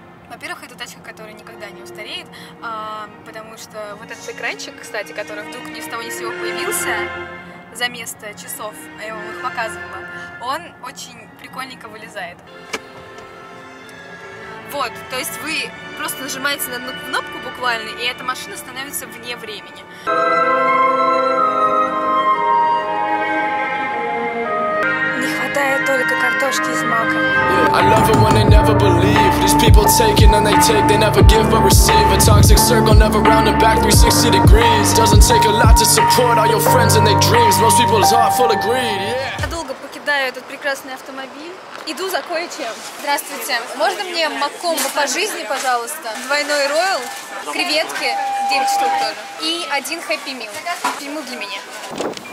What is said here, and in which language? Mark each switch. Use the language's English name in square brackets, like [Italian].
[Russian] Во-первых, это тачка, которая никогда не устареет, потому что вот этот экранчик, кстати, который вдруг ни с того ни с сего появился за место часов, а я вам их показывала, он очень прикольненько вылезает. Вот, то есть вы просто нажимаете на одну кнопку буквально, и эта машина становится вне времени. [English] I love it when they never believe. These people taking and they take, they never give but receive. A toxic circle never round and back 360 degrees. Doesn't take a lot to support all your friends and their dreams. Most people's heart full of greed. [Russian] Я долго покидаю этот прекрасный автомобиль. Иду за кое-чем. Здравствуйте. Можно мне маккомбо по жизни, пожалуйста? Двойной роял, креветки, 9 штук тоже. И один хэппи мил. Пиму для меня.